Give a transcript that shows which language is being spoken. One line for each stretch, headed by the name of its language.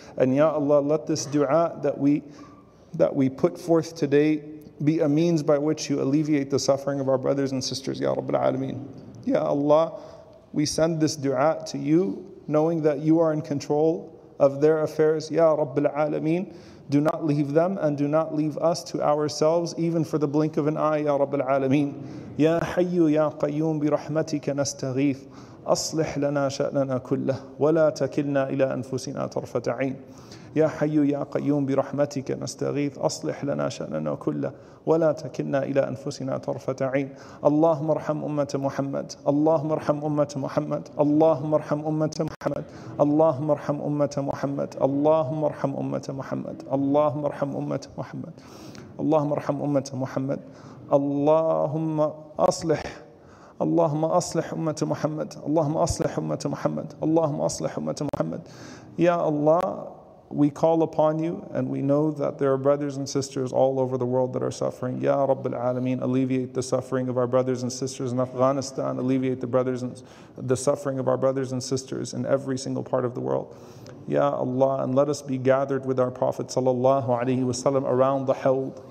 English: And Ya Allah, let this du'a that we put forth today be a means by which you alleviate the suffering of our brothers and sisters, Ya Rabbil Alameen. Ya Allah, we send this dua to you, knowing that you are in control of their affairs, Ya Rabbil Alameen. Do not leave them and do not leave us to ourselves, even for the blink of an eye, Ya Rabbil Alameen.
Arabic: Ya Hayyu Ya Qayyum bi rahmatika nastaghith. أصلح لنا شأننا كله ولا تكلنا إلى أنفسنا طرفة عين يا حي يا قيوم برحمتك نستغيث أصلح لنا شأننا كله ولا تكلنا إلى أنفسنا طرفة عين اللهم ارحم أمة محمد اللهم ارحم أمة محمد اللهم ارحم أمة محمد اللهم ارحم أمة محمد اللهم ارحم أمة محمد اللهم ارحم أمة محمد اللهم ارحم أمة محمد اللهم أصلح اللهم أصلح أمة محمد اللهم أصلح أمة محمد اللهم أصلح أمة محمد يا الله.
English: We call upon you, and we know that there are brothers and sisters all over the world that are suffering. Ya Rabbil Alameen, alleviate the suffering of our brothers and sisters in Afghanistan. Alleviate the suffering of our brothers and sisters in every single part of the world. Ya Allah, and let us be gathered with our Prophet sallallahu alaihi wasallam around the held.